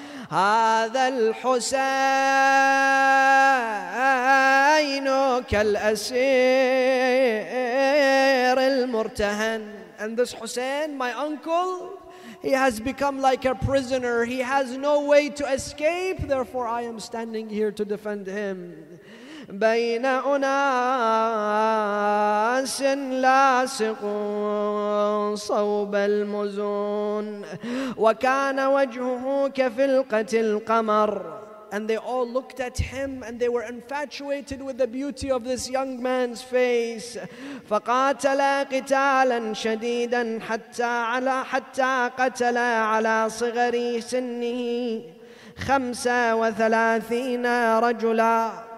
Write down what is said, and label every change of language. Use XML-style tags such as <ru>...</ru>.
<ar>هذا الحسين كالأسير المرتهن.</ar> <en>And this Hussein, my uncle, he has become like a prisoner. He has no way to escape. Therefore, I am standing here to defend him.</en> <ar>بين أناس لاسقون صوب المزون وكان وجهه كفلقة القمر.</ar> <en>And they all looked at him and they were infatuated with the beauty of this young man's face.</en> <ar>فقاتل قتالا شديدا حتى قتل على صغر سنه 35 رجلا.</ar>